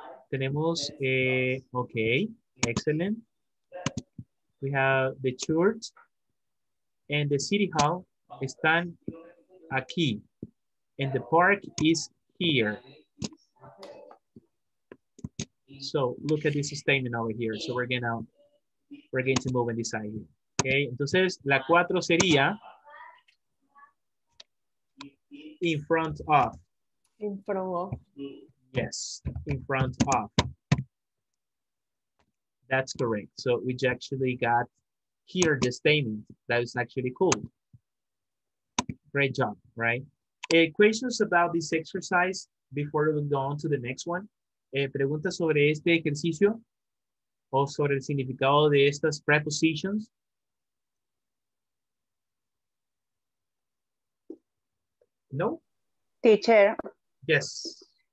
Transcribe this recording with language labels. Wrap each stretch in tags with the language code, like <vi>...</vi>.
<en>Tenemos, okay, excellent. We have the church and the city hall</en> <es>están aquí.</es> <en>And the park is here. So look at this statement over here. So we're going to move on this side here.</en> <es>Okay, entonces la cuatro sería in front of.</es> <en>Yes, in front of. That's correct. So we actually got here the statement. That is actually cool. Great job, right? Questions about this exercise before we go on to the next one.</en> <es>Preguntas sobre este ejercicio o sobre el significado de estas prepositions. No?</es> <en>Teacher. Yes.</en>